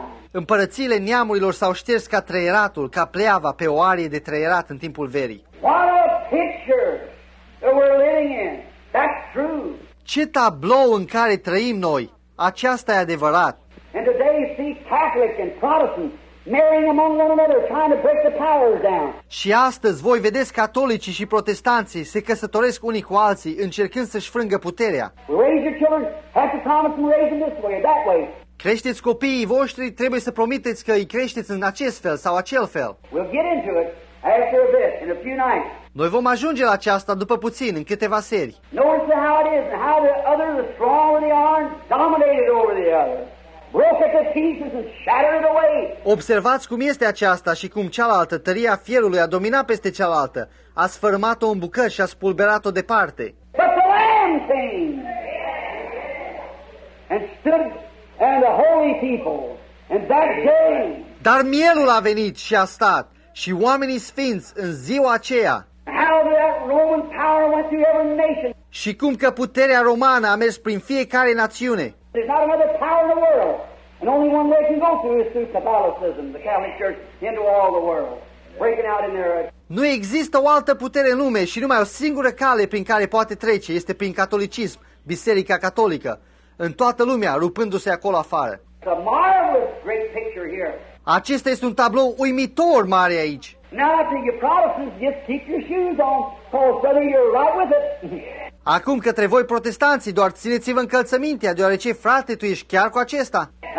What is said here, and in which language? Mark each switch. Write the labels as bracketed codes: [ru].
[ro] Împărățiile neamurilor s-au șters ca trăieratul, ca pleava pe o arie de trăierat în timpul verii. [en] What a picture that we're living in. That's true. [ro] Ce tablou în care trăim noi! Aceasta e adevărat. [en] And today you see Catholic and Protestant marrying among one another, trying to break the powers down. [ro] Și astăzi voi vedeți catolicii și protestanții se căsătoresc unii cu alții, încercând să-și frângă puterea. [en] Raise your children, have to promise them raise them this way or that way. [ro] Creșteți copiii voștri, trebuie să promiteți că îi creșteți în acest fel sau acel fel. [en] We'll get into it after a bit, in a few nights. [ro] Noi vom ajunge la aceasta după puțin, în câteva seri. [en] Notice how it is and how the others, the strong with the iron, dominated over the other. Broke it to pieces and shattered it away. [ro] Observați cum este aceasta și cum cealaltă, tăria fierului, a dominat peste cealaltă, a sfărâmat-o în bucăți și a spulberat-o departe. [en] But the Lamb came and stood, and the holy people, and that day. [ro] Dar mielul a venit și a stat, și oamenii sfinți în ziua aceea. [en] How that Roman power went through every nation. [ro] Și cum că puterea romană a mers prin fiecare națiune. [en] There's not another power in the world, and only one way can go through is through Catholicism, the Catholic Church, into all the world, breaking out in there. [ro] Nu există o altă putere în lume și numai o singură cale prin care poate trece este prin catolicism, Biserica Catolică, în toată lumea, rupându-se acolo afară. [en] It's a marvelous great picture here. [ro] Acesta este un tablou uimitor mare aici. [en] Now, to your Protestants, just keep your shoes on, cause brother, you're right with it. Acum către voi protestanții, doar țineți-vă încălțămintea, deoarece frate, tu ești chiar cu acesta.